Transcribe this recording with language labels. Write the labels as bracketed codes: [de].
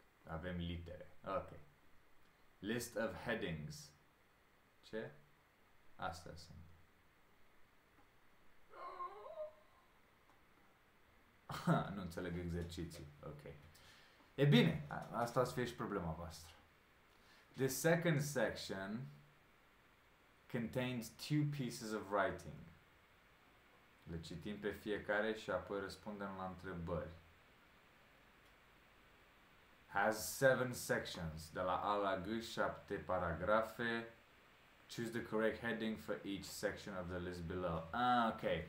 [ro] Avem litere. Ok. [en] List of headings. [ro] Ce? Astea sunt. Nu înțeleg exercițiul. Ok. E bine. Asta o să fie și problema voastră. [en] The second section contains two pieces of writing. [ro] Le citim pe fiecare și apoi răspundem la întrebări. [en] Has 7 sections, [ro] de la A la G, 7 paragrafe. [en] Choose the correct heading for each section of the list below. Ah, ok.